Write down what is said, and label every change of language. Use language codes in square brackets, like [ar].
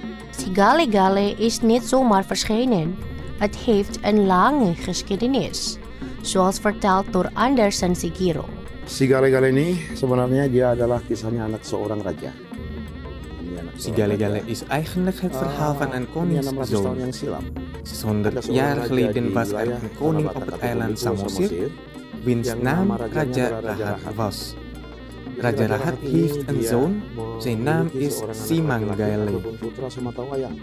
[nl] Sigale-gale is niet zomaar verschenen. Het heeft een lange geschiedenis, zoals verteld door Andersen Sigiro. [id] Sigale-gale ini sebenarnya dia adalah kisahnya anak seorang raja. [nl] Sigale-gale is eigenlijk het verhaal van een koningszoon. 600 jaar geleden was er een koning op het eiland Samosir, wiens naam Raja Rahat was. Raja Rahat heeft een zoon, zijn naam is Simangale.